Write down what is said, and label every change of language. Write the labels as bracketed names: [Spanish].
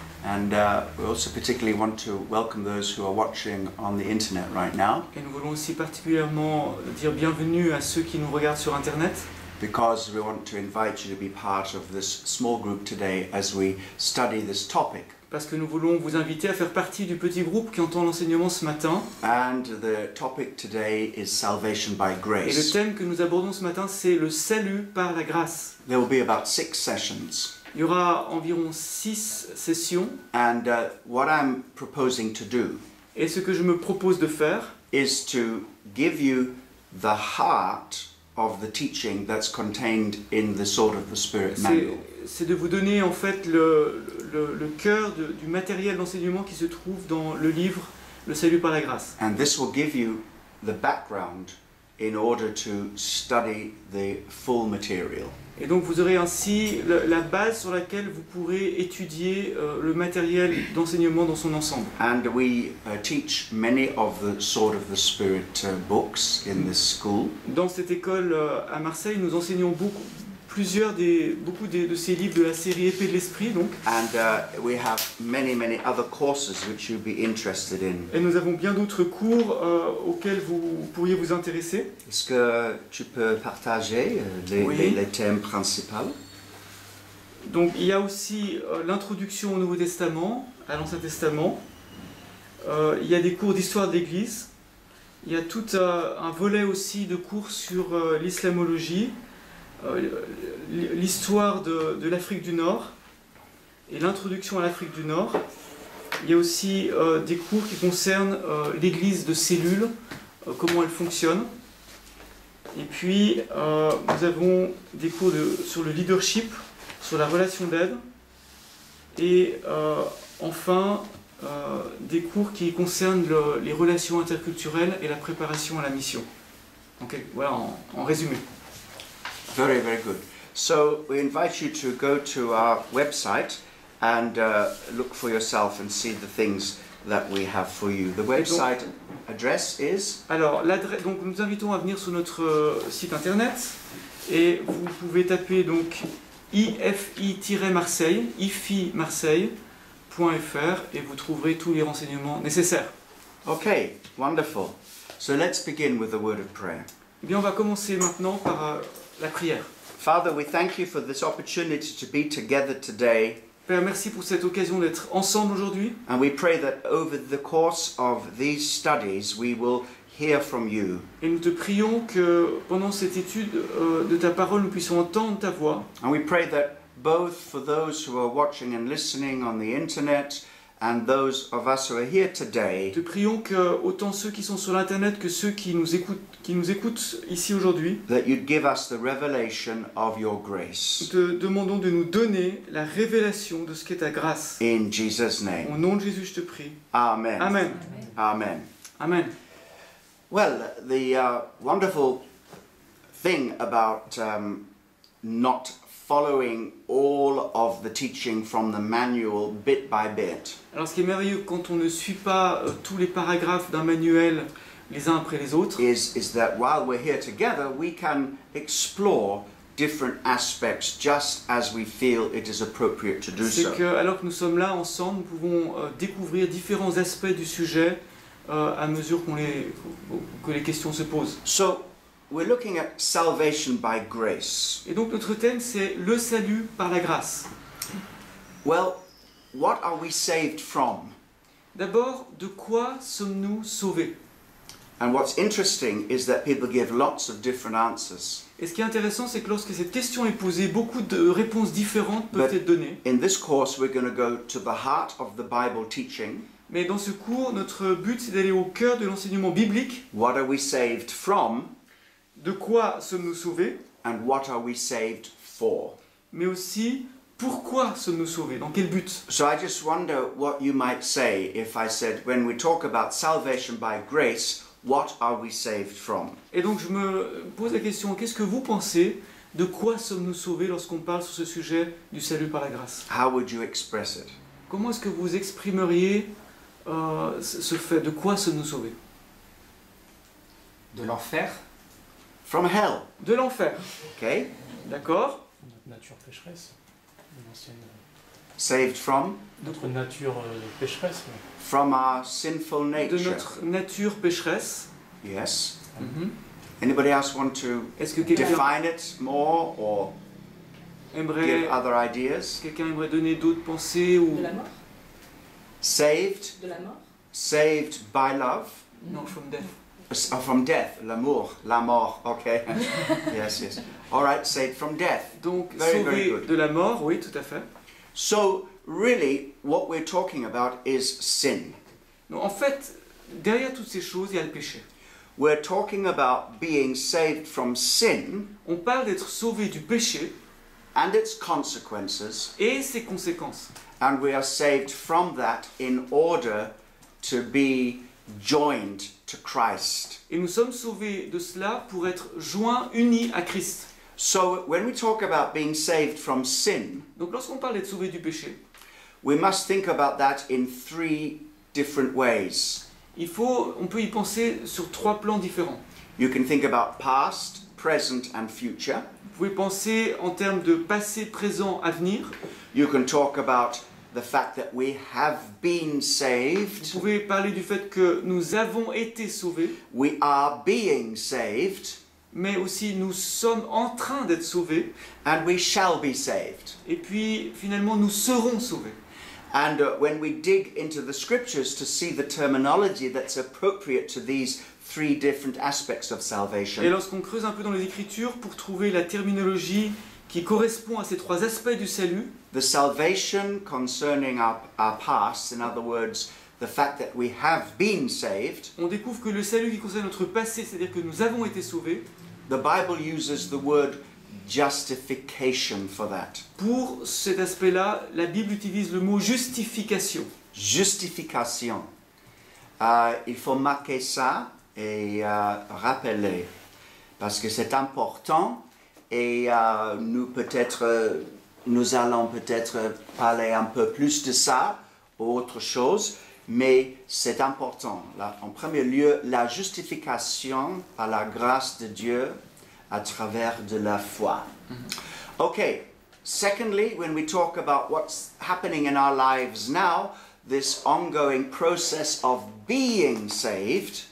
[English] And we also particularly want to welcome those who are watching on the internet right now. [French] Et nous voulons aussi particulièrement dire bienvenue à ceux qui nous regardent sur internet. [English] Because we want to invite you to be part of this small group today as we study this topic. [French] Parce que nous voulons vous inviter à faire partie du petit groupe qui entend l'enseignement ce matin. [English] And the topic today is salvation by grace. [French] Et le thème que nous abordons ce matin, c'est le salut par la grâce. [English] There will be about six sessions. [French] Il y aura environ six sessions. [English] And what I'm proposing to do. [French] Et ce que je me propose de faire. [English] Is to give you the heart of the teaching that's contained in the Sword of the Spirit manual. [French] C'est de vous donner en fait le cœur du matériel d'enseignement qui se trouve dans le livre Le Salut par la Grâce. [English] And this will give you the background in order to study the full material. [French] Et donc vous aurez ainsi la base sur laquelle vous pourrez étudier le matériel d'enseignement dans son ensemble. [English] And we teach many of the Sword of the Spirit books in this school. [French] Dans cette école à Marseille, nous enseignons beaucoup de ces livres de la série Épée de l'Esprit, donc. [English] And we have many, many other courses which you'd be interested in. [French] Et nous avons bien d'autres cours auxquels vous pourriez vous intéresser. Est-ce que tu peux partager les thèmes principaux? Donc, il y a aussi l'introduction au Nouveau Testament, à l'Ancien Testament. Il y a des cours d'histoire de l'Église. Il y a tout un volet aussi de cours sur l'islamologie. L'histoire de l'Afrique du Nord et l'introduction à l'Afrique du Nord. Il y a aussi des cours qui concernent l'église de cellules, comment elle fonctionne. Et puis, nous avons des cours sur le leadership, sur la relation d'aide. Et enfin, des cours qui concernent les relations interculturelles et la préparation à la mission. Donc, voilà, en résumé. [English] Very, very good. So we invite you to go to our website and look for yourself and see the things that we have for you. The website address is. [French] Alors l'adresse. Donc nous invitons à venir sur notre site internet et vous pouvez taper donc ifi-marseille.fr et vous trouverez tous les renseignements nécessaires. [English] Okay, wonderful. So let's begin with a word of prayer. [French] Eh bien, on va commencer maintenant par la prière. [English] Father, we thank you for this opportunity to be together today. [French] Père, merci pour cette occasion d'être ensemble aujourd'hui. [English] And we pray that over the course of these studies, we will hear from you. [French] Et nous te prions que pendant cette étude de ta parole, nous puissions entendre ta voix. [English] And we pray that both for those who are watching and listening on the internet and those of us who are here today. [French] Nous te prions que autant ceux qui sont sur l'internet que ceux qui nous écoutent ici aujourd'hui. [English] That you'd give us the revelation of your grace. [French] Nous te demandons de nous donner la révélation de ce qu'est ta grâce. [English] In Jesus' name. [French] Au nom de Jésus, je te prie. [English] Amen. Amen. Amen. Amen. Well, the wonderful thing about not following all of the teaching from the manual bit by bit. [French] Alors, ce qui est merveilleux quand on ne suit pas tous les paragraphes d'un manuel les uns après les autres. [English] Is that while we're here together, we can explore different aspects just as we feel it is appropriate to do so. [French] C'est que alors que nous sommes là ensemble, nous pouvons découvrir différents aspects du sujet à mesure que les questions se posent. [English] So, we're looking at salvation by grace. [French] Et donc notre thème c'est le salut par la grâce. [English] Well, what are we saved from? [French] D'abord, de quoi sommes-nous sauvés? [English] And what's interesting is that people give lots of different answers. [French] Et ce qui est intéressant, c'est que lorsque cette question est posée, beaucoup de réponses différentes peuvent être données. [English] In this course, we're going to go to the heart of the Bible teaching. [French] Mais dans ce cours, notre but c'est d'aller au cœur de l'enseignement biblique. [English] What are we saved from? [French] De quoi sommes-nous sauvés? [English] And what are we saved for? [French] Mais aussi, pourquoi sommes-nous sauvés? Dans quel but? [English] So I just wonder what you might say if I said, when we talk about salvation by grace, what are we saved from? [French] Et donc je me pose la question, qu'est-ce que vous pensez? De quoi sommes-nous sauvés lorsqu'on parle sur ce sujet du salut par la grâce? [English] How would you express it? [French] Comment est-ce que vous exprimeriez ce fait? De quoi sommes-nous sauvés? De l'enfer. [English] From hell. [French] De l'enfer. [English] Okay. [French] D'accord. notre nature pécheresse, l'ancienne. [English] Saved from? [French] Notre nature pécheresse. Oui. [English] From our sinful nature. [French] De notre nature pécheresse. [English] Yes. Mm-hmm. Anybody else want to define it more or give other ideas? [French] Quelqu'un aimerait donner d'autres pensées ou de la mort? [English] Saved. [French] De la mort. [English] Saved by love. No, from death. From death, [French] l'amour, la mort, [English] okay. Yes, yes. All right, saved from death. [French] Donc, very, sauvé [English] very good. [French] De la mort, oui, tout à fait. [English] So, really, what we're talking about is sin. [French] Non, en fait, derrière toutes ces choses, il y a le péché. [English] We're talking about being saved from sin. [French] On parle d'être sauvé du péché. [English] And its consequences. [French] Et ses conséquences. [English] And we are saved from that in order to be joined to Christ. [French] Et nous sommes sauvés de cela pour être joints, unis à Christ. [English] So when we talk about being saved from sin, [French] donc lorsqu'on parle d'être sauvé du péché, [English] we must think about that in three different ways. [French] Il faut, on peut y penser sur trois plans différents. [English] You can think about past, present and future. [French] Vous pouvez penser en termes de passé, présent, avenir. [English] You can talk about the fact that we have been saved. [French] Vous pouvez parler du fait que nous avons été sauvés. [English] We are being saved. [French] Mais aussi nous sommes en train d'être sauvés. [English] And we shall be saved. [French] Et puis finalement nous serons sauvés. [English] And when we dig into the scriptures to see the terminology that's appropriate to these three different aspects of salvation. [French] Et lorsqu'on creuse un peu dans les écritures pour trouver la terminologie qui correspond à ces trois aspects du salut. [English] The salvation concerning our past, in other words, the fact that we have been saved. [French] On découvre que le salut qui concerne notre passé, c'est-à-dire que nous avons été sauvés. [English] The Bible uses the word justification for that. [French] Pour cet aspect-là, la Bible utilise le mot justification. [English] Justification. [French] Il faut marquer ça et rappeler, parce que c'est important. Et nous allons peut-être parler un peu plus de ça ou autre chose, mais c'est important. Là, en premier lieu, la justification par la grâce de Dieu à travers de la foi. [English] Mm-hmm. Okay. Secondly, when we talk about what's happening in our lives now, this ongoing process of being saved.